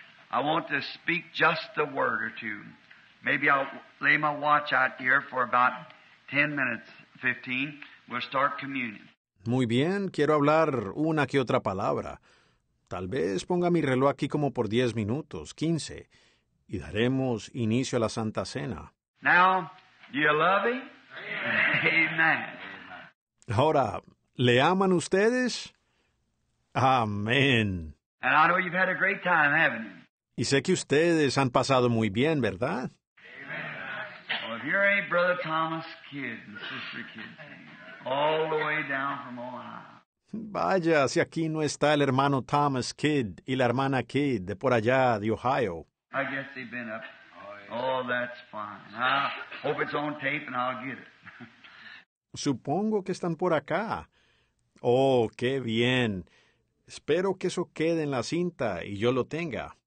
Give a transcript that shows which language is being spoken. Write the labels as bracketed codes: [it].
[en] I want to speak just a word or two. Maybe I'll lay my watch out here for about 10 minutes, 15. We'll start communion. [es] Muy bien. Quiero hablar una que otra palabra. Tal vez ponga mi reloj aquí como por 10 minutos, 15. Y daremos inicio a la Santa Cena. [en] Now, do you love him? Amen. Amen. [es] Ahora, ¿le aman ustedes? Amén. [en] And I know you've had a great time, haven't you? [es] Y sé que ustedes han pasado muy bien, ¿verdad? [en] Amen. Oh, Well, if here ain't Brother Thomas Kidd and Sister Kidd, all the way down from Ohio. [es] Vaya, si aquí no está el hermano Thomas Kidd y la hermana Kidd de por allá, de Ohio. [en] I guess they've been up. Oh, that's fine. I hope it's on tape and I'll get it. [es] Supongo que están por acá. Oh, qué bien. Espero que eso quede en la cinta y yo lo tenga.